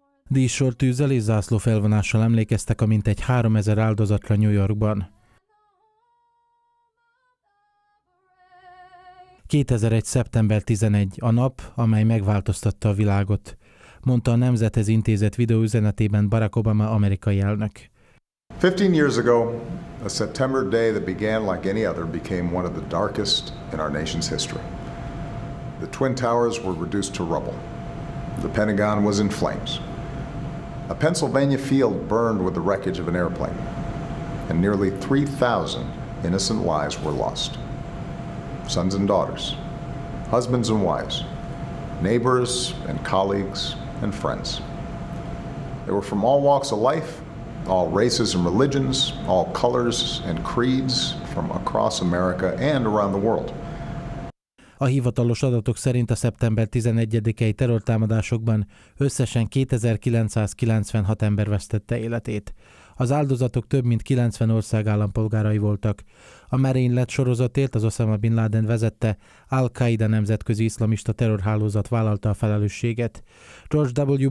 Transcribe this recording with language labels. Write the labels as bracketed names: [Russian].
[Hungarian] Díszsortűzzel és zászlófelvonással emlékeztek a mintegy 3000 áldozatra New Yorkban. 2001. szeptember 11. a nap, amely megváltoztatta a világot, mondta a Nemzethez intézett videóüzenetében Barack Obama amerikai elnök. [English] 15 years ago, a September day that began like any other became one of the darkest in our nation's history. The Twin Towers were reduced to rubble. The Pentagon was in flames. A Pennsylvania field burned with the wreckage of an airplane. And nearly 3,000 innocent lives were lost. Sons and daughters, husbands and wives, neighbors and colleagues and friends. They were from all walks of life, all races and religions, all colors and creeds from across America and around the world. [Hungarian] A hivatalos adatok szerint a szeptember 11-i terrortámadásokban összesen 2996 ember vesztette életét. Az áldozatok több mint 90 ország állampolgárai voltak. A merénylet sorozatért az Osama Bin Laden vezette Al-Qaida nemzetközi iszlamista terrorhálózat vállalta a felelősséget. George W.